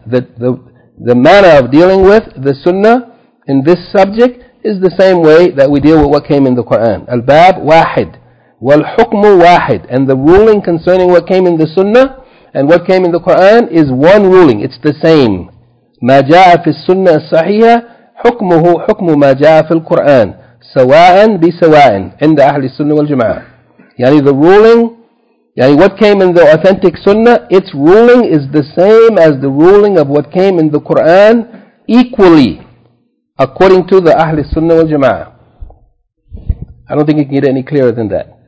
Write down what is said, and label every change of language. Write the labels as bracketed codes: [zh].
[en] The manner of dealing with the Sunnah in this subject is the same way that we deal with what came in the Quran. [ar] Al-Bab Wahid. Wal-Hukmu Wahid. [en] And the ruling concerning what came in the Sunnah and what came in the Quran is one ruling. It's the same. [ar] ما جاء في السنة الصحيحة حكمه حكم ما جاء في القرآن سواءً بسواءً عند أهل السنة والجماعة. [en] يعني the ruling, يعني what came in the authentic Sunnah, its ruling is the same as the ruling of what came in the Quran equally according to the أهل السنة والجماعة. I don't think it can get any clearer than that.